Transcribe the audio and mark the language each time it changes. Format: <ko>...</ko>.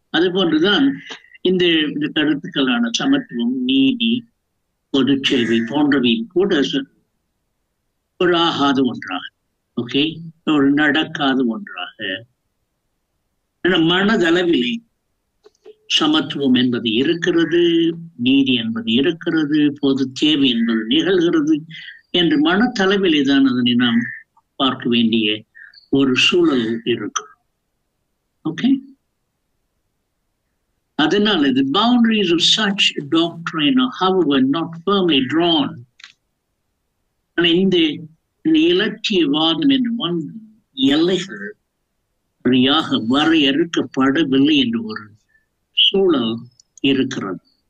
<ta>அது போன்றுதான் இந்த இந்த கருத்துக்களான சமத்துவம், நீதி, பொது சேவை போன்றவையும் கூட ஒரு ஆகாத ஒன்றாக ஓகே, ஒரு நடக்காத ஒன்றாக மனதளவில் சமத்துவம் என்பது இருக்கிறது, நீதி என்பது இருக்கிறது, பொது தேவை என்பது நிகழ்கிறது என்று மனத்தளவிலே தான் அதனை நாம் பார்க்க வேண்டிய ஒரு சூழல் இருக்கும். ஓகே, அதனால</ta> <en>the boundaries of such a doctrine are however not firmly drawn.</en> <ta>ஆனா இந்த இலட்சியவாதம் என்று ஒன்று எல்லைகள் சரியாக வரையறுக்கப்படவில்லை என்று ஒரு சூழல் இருக்கிறது.</ta>